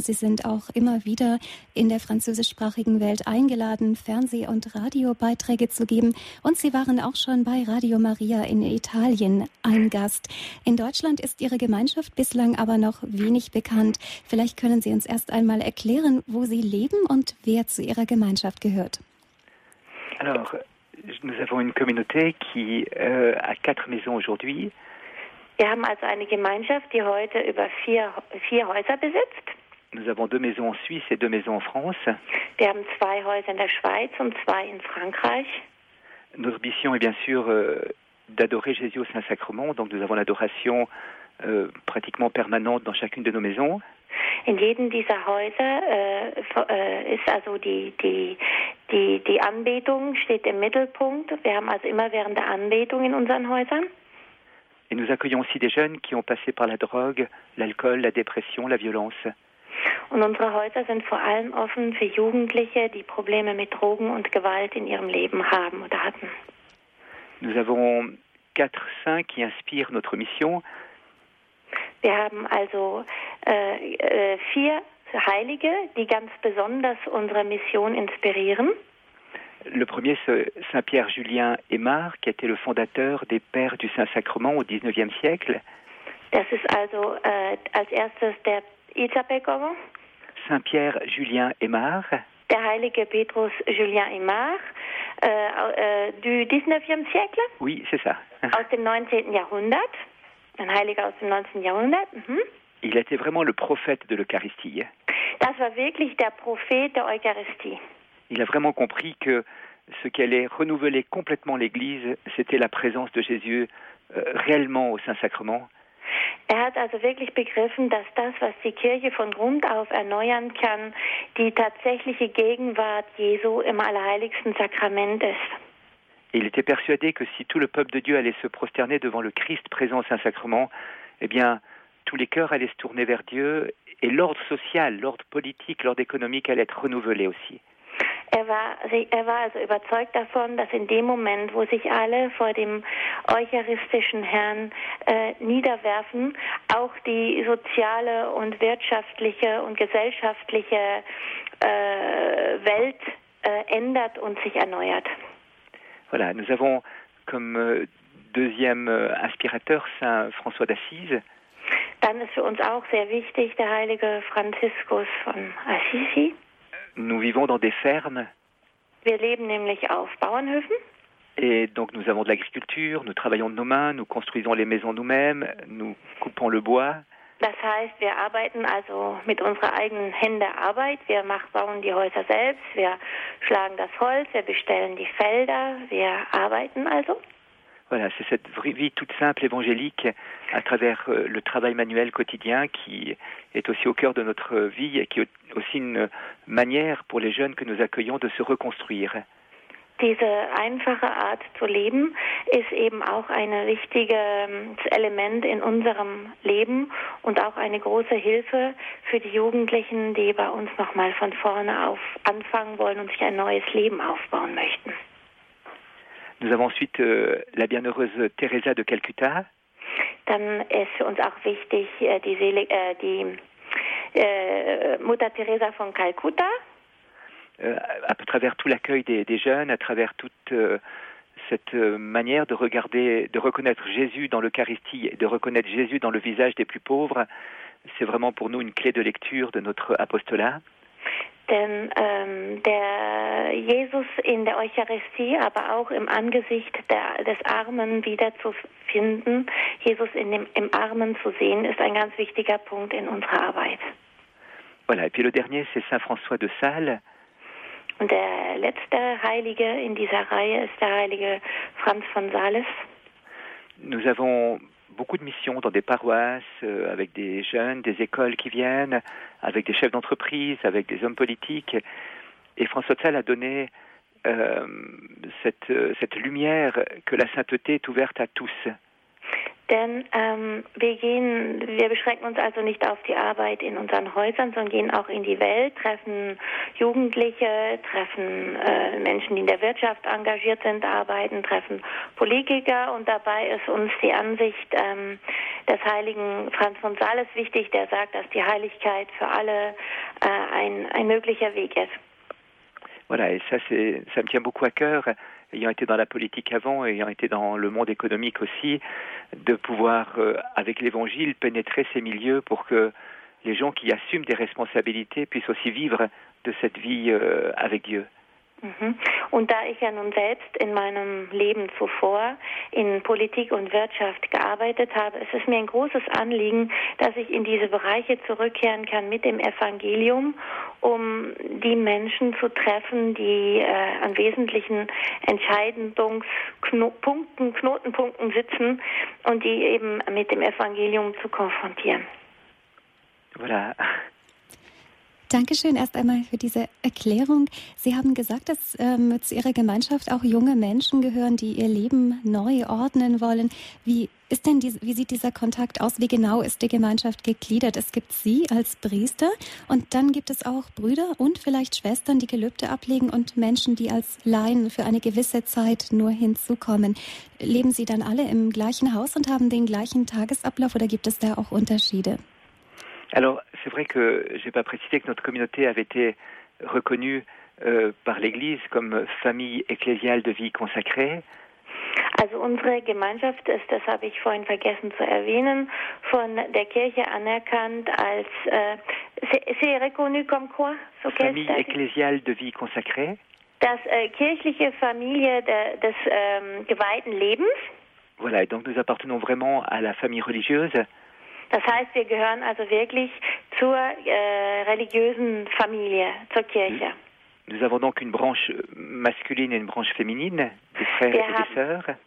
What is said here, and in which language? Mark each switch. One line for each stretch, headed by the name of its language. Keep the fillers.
German: Sie sind auch immer wieder in der französischsprachigen Welt eingeladen, Fernseh- und Radiobeiträge zu geben. Und Sie waren auch schon bei Radio Maria in Italien ein Gast. In Deutschland ist Ihre Gemeinschaft bislang aber noch wenig bekannt. Vielleicht können Sie uns erst einmal erklären, wo Sie leben und wer zu Ihrer Gemeinschaft gehört.
French: Alors, nous avons une communauté qui euh, a quatre maisons aujourd'hui.
German: Wir haben also eine Gemeinschaft, die heute über vier, vier Häuser besitzt.
French: Nous avons deux maisons en Suisse et deux maisons en France.
German: Wir haben zwei Häuser in der Schweiz und zwei in Frankreich.
French: Notre mission est bien sûr euh, d'adorer Jésus au Saint-Sacrement, donc nous avons l'adoration euh, pratiquement permanente dans chacune de nos maisons.
German: In jedem dieser Häuser äh, ist also die, die, die, die Anbetung steht im Mittelpunkt. Wir haben also immer während der Anbetung in unseren Häusern.
French: Et nous accueillons aussi des jeunes qui ont passé par la drogue, l'alcool, la dépression, la violence.
German: Und unsere Häuser sind vor allem offen für Jugendliche, die Probleme mit Drogen und Gewalt in ihrem Leben haben oder hatten.
French: Nous avons quatre saints qui inspirent notre mission.
German: Wir haben also äh, äh, vier Heilige, die ganz besonders unsere Mission inspirieren.
French: Le premier, c'est Saint Pierre Julien Aymar, qui a été le fondateur des Pères du Saint-Sacrement au XIXe siècle.
German: Das ist also äh, als erstes der Itzapekovo.
French: Saint Pierre Julien Aymar.
German: Der heilige Petrus Julien Aymar äh, äh,
French: du 19. siècle. Oui, c'est ça.
German: Aus dem 19. Jahrhundert. Ein Heiliger aus dem 19. Jahrhundert. Mhm.
French: Il était vraiment le prophète de l'Eucharistie.
German: Das war wirklich der Prophet der Eucharistie.
French: Il a vraiment compris que ce qui allait renouveler complètement l'Église, c'était la présence de Jésus euh, réellement au Saint-Sacrement.
German: Er hat also wirklich begriffen, dass das, was die Kirche von Grund auf erneuern kann, die tatsächliche Gegenwart Jesu im allerheiligsten Sakrament ist.
French: Et il était persuadé que si tout le peuple de Dieu allait se prosterner devant le Christ présent au Saint-Sacrement, eh bien, tous les cœurs allaient se tourner vers Dieu et l'ordre social, l'ordre politique, l'ordre économique allait être renouvelé aussi.
German: Er war, er war also überzeugt davon, dass in dem Moment, wo sich alle vor dem eucharistischen Herrn äh, niederwerfen, auch die soziale und wirtschaftliche und gesellschaftliche äh, Welt äh, ändert und sich erneuert.
French: Voilà, nous avons comme deuxième inspirateur Saint François d'Assise.
German: Dann ist für uns auch sehr wichtig der heilige Franziskus von Assisi.
French: Nous vivons dans des fermes.
German: Wir leben nämlich auf Bauernhöfen.
French: Et donc nous avons de l'agriculture, nous travaillons de nos mains, nous construisons les maisons nous-mêmes, nous coupons le bois.
German: Das heißt, wir arbeiten also mit unserer eigenen Hände Arbeit. Wir machen, bauen die Häuser selbst, wir schlagen das Holz, wir bestellen die Felder, wir arbeiten also.
French: Voilà, c'est cette vie toute simple évangélique à travers le travail manuel quotidien qui est aussi au cœur de notre vie et qui est aussi une manière pour les jeunes que nous accueillons de se reconstruire.
German: Diese einfache Art zu leben ist eben auch ein wichtiges Element in unserem Leben und auch eine große Hilfe für die Jugendlichen, die bei uns nochmal von vorne auf anfangen wollen und sich ein neues Leben aufbauen möchten.
French: Nous avons ensuite euh, la bienheureuse Teresa de Calcutta.
German: Dann ist für uns auch wichtig äh, die, Seele, äh, die äh, Mutter Teresa von Calcutta.
French: à travers tout l'accueil des, des, jeunes, à travers toute cette manière de regarder, de reconnaître Jésus dans l'Eucharistie et de reconnaître Jésus dans le visage des plus pauvres, c'est vraiment pour nous une clé de lecture de notre apostolat.
German: Denn ähm, der Jesus in der Eucharistie, aber auch im Angesicht der, des Armen wiederzufinden, Jesus in dem, im Armen zu sehen, ist ein ganz wichtiger Punkt in unserer Arbeit.
French: Voilà, et puis le dernier, c'est Saint François de Sales.
German: Und der letzte Heilige in dieser Reihe ist der heilige Franz von Sales.
French: Nous avons beaucoup de missions dans des paroisses, euh, avec des jeunes, des écoles qui viennent, avec des chefs d'entreprise, avec des hommes politiques. Et François de Sales a donné euh, cette, cette, lumière que la sainteté est ouverte à tous.
German: Denn ähm, wir gehen, wir beschränken uns also nicht auf die Arbeit in unseren Häusern, sondern gehen auch in die Welt, treffen Jugendliche, treffen äh, Menschen, die in der Wirtschaft engagiert sind, arbeiten, treffen Politiker und dabei ist uns die Ansicht ähm, des heiligen Franz von Sales wichtig, der sagt, dass die Heiligkeit für alle äh, ein, ein möglicher Weg ist.
French: Voilà, et ça, ça me tient beaucoup à cœur, ayant été dans la politique avant, ayant été dans le monde économique aussi, de pouvoir, euh, avec l'Évangile, pénétrer ces milieux pour que les gens qui assument des responsabilités puissent aussi vivre de cette vie euh, avec Dieu.
German: Und da ich ja nun selbst in meinem Leben zuvor in Politik und Wirtschaft gearbeitet habe, es ist mir ein großes Anliegen, dass ich in diese Bereiche zurückkehren kann mit dem Evangelium, um die Menschen zu treffen, die äh, an wesentlichen Entscheidungspunkten, Knotenpunkten sitzen und die eben mit dem Evangelium zu konfrontieren.
French: Voilà.
German: Dankeschön erst einmal für diese Erklärung. Sie haben gesagt, dass ähm, zu Ihrer Gemeinschaft auch junge Menschen gehören, die ihr Leben neu ordnen wollen. Wie ist denn die, wie sieht dieser Kontakt aus? Wie genau ist die Gemeinschaft gegliedert? Es gibt Sie als Priester und dann gibt es auch Brüder und vielleicht Schwestern, die Gelübde ablegen und Menschen, die als Laien für eine gewisse Zeit nur hinzukommen. Leben Sie dann alle im gleichen Haus und haben den gleichen Tagesablauf oder gibt es da auch Unterschiede?
French: Alors, c'est vrai que je n'ai pas précisé que notre communauté avait été reconnue euh, par l'Église comme famille ecclésiale de vie consacrée.
German: Also unsere Gemeinschaft ist, das habe ich vorhin vergessen zu erwähnen, von der Kirche anerkannt als äh,
French: c'est reconnu comme quoi? So famille ecclésiale de vie consacrée.
German: Das äh, kirchliche Familie
French: de, des
German: ähm, geweihten Lebens.
French: Voilà, et donc nous appartenons vraiment à la famille religieuse.
German: Das heißt, wir gehören also wirklich zur äh, religiösen Familie, zur Kirche.
French: Nous avons donc une branche masculine et une branche féminine, des frères
German: wir
French: et
German: haben,
French: des sœurs.